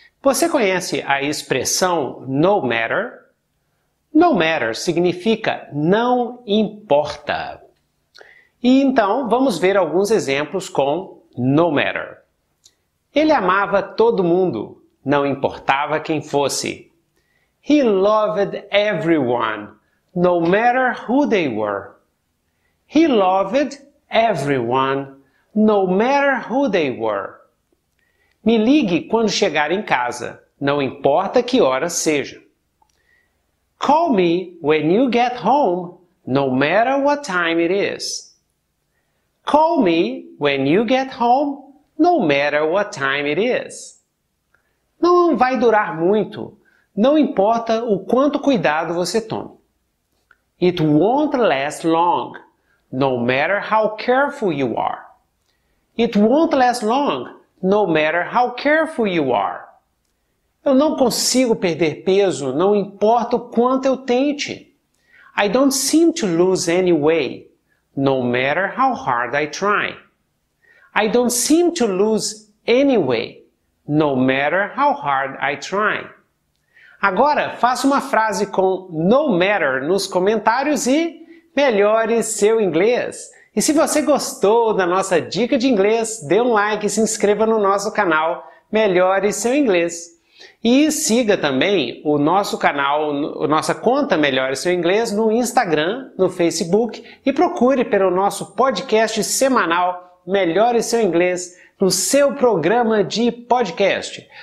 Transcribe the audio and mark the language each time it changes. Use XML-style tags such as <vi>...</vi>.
<pt>Você conhece a expressão no matter? No matter significa não importa. E então, vamos ver alguns exemplos com no matter. Ele amava todo mundo, não importava quem fosse.</pt> <en>He loved everyone, no matter who they were. He loved everyone, no matter who they were.</en> <pt>Me ligue quando chegar em casa, não importa que hora seja.</pt> <en>Call me when you get home, no matter what time it is. Call me when you get home, no matter what time it is.</en> <pt>Não vai durar muito, não importa o quanto cuidado você tome.</pt> <en>It won't last long, no matter how careful you are. It won't last long, no matter how careful you are.</en> <pt>Eu não consigo perder peso, não importa o quanto eu tente.</pt> <en>I don't seem to lose any weight, no matter how hard I try. I don't seem to lose any weight, no matter how hard I try.</en> <pt>Agora, faça uma frase com no matter nos comentários e melhore seu inglês. E se você gostou da nossa dica de inglês, dê um like e se inscreva no nosso canal Melhore Seu Inglês. E siga também o nosso canal, nossa conta Melhore Seu Inglês no Instagram, no Facebook e procure pelo nosso podcast semanal Melhore Seu Inglês no seu programa de podcast.</pt>